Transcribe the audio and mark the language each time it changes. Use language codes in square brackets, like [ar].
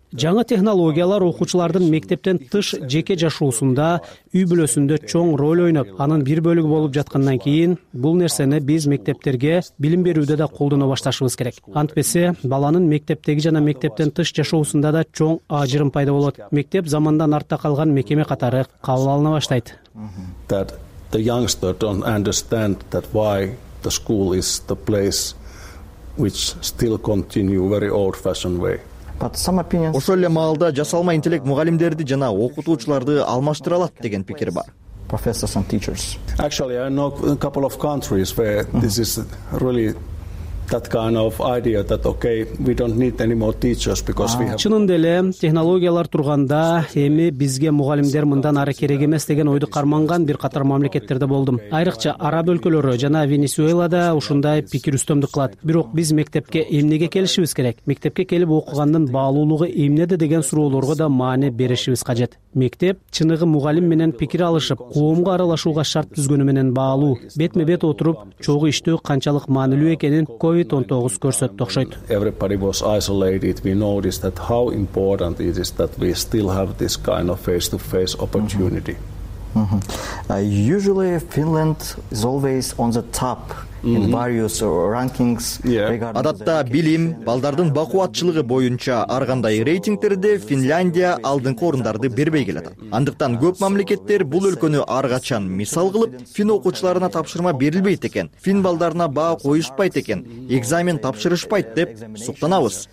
[ky] Жаңы технологиялар окуучулардын мектептен тыш жеке жашоосунда, үй бүлөсүндө чоң роль ойноп, анын бир бөлүгү болуп жаткандан кийин, бул нерсени биз мектептерге билим берүүдө да колдоно башташыбыз керек. Антпесе, баланын мектептеги жана мектептен тыш жашоосунда да чоң ажырым пайда болот. Мектеп замандан артта калган мекеме катары кабыл алына баштайт. [en] That the youngster don't understand that why the school is the place which still continue very old fashioned way. [ky] Ошол эле маалда жасалма интеллект мугалимдерди жана окутуучуларды алмаштыра алат деген пикир бар. [en] Professors and teachers. Actually, I know a couple of countries where this is really that kind of idea that okay, we don't need any more teachers because we have. [ky] Чынында эле технологиялар турганда эми бизге мугалимдер мындан ары керек эмес деген ойду карманган бир катар мамлекеттерде болдум. Айрыкча араб өлкөлөрү жана Венесуэлада ушундай пикир үстөмдүк кылат. Бирок биз мектепке эмнеге келишибиз керек? Мектепке келип окугандын баалуулугу эмнеде деген суроолорго да маани беришибиз кажет. Мектеп чыныгы мугалим менен пикир алышып, коомго аралашууга шарт түзгөнү менен баалуу. Бетме-бет отуруп, чогуу иштөө канчалык маанилүү экенин COVID-19 көрсөттү окшойт. [en] Everybody was isolated. We noticed that how important it is that we still have this kind of face-to-face opportunity. Usually Finland is always on the top in various rankings. [ky] Адатта билим, балдардын бакуватчылыгы боюнча ар кандай рейтингтерде Финляндия алдыңкы орундарды бербей келет. Андыктан көп мамлекеттер бул өлкөнү ар качан мисал кылып, фин окуучуларына тапшырма берилбейт экен, фин балдарына баа коюшпайт экен, экзамен тапшырышпайт деп суктанабыз.